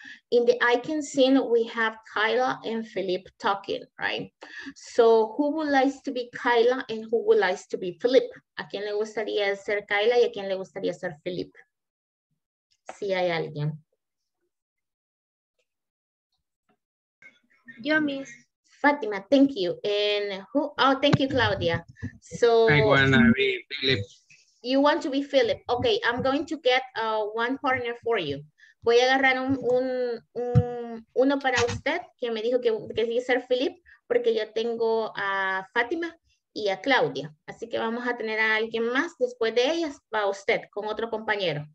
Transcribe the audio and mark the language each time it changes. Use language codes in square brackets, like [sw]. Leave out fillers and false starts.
[en] In the icon scene, we have Kyla and Philip talking, right? So who would like to be Kyla and who would like to be Philip? [es] ¿A quién le gustaría ser Kyla y a quién le gustaría ser Philip? Si hay alguien. Yo, Miss. [en] Fátima, thank you. And who? Oh, thank you, Claudia. So I wanna be Philip. You want to be Philip. Okay, I'm going to get one partner for you. [es] Voy a agarrar uno para usted que me dijo que quería ser Philip porque yo tengo a Fátima y a Claudia. Así que vamos a tener a alguien más después de ellas para usted con otro compañero.